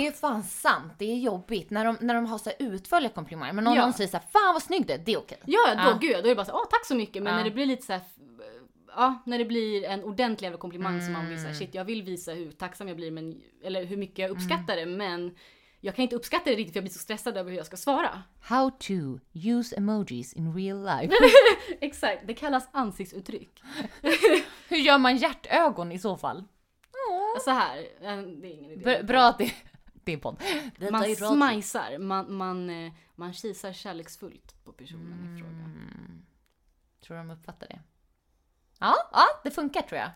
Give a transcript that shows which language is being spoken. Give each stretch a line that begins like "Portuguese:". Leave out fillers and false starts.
Swedish: Det är fan sant, det är jobbigt. När de har så här utföljda komplimanger. Men någon säger så här, fan vad snygg det är okej. Ja, då är det bara så här, tack så mycket. Men när det blir lite så här, när det blir en ordentlig komplimang som man vill så här, shit jag vill visa hur tacksam jag blir, men, eller hur mycket jag uppskattar det. Men jag kan inte uppskatta det riktigt, för jag blir så stressad över hur jag ska svara.
English: How to use emojis in real life.
Swedish: Exakt, det kallas ansiktsuttryck. Hur gör man hjärtögon i så fall? Så här, det är ingen idé. Bra att det är podd. Det man smajsar, man kisar kärleksfullt på personen i fråga. Tror de uppfattar det? Ja, det funkar tror jag.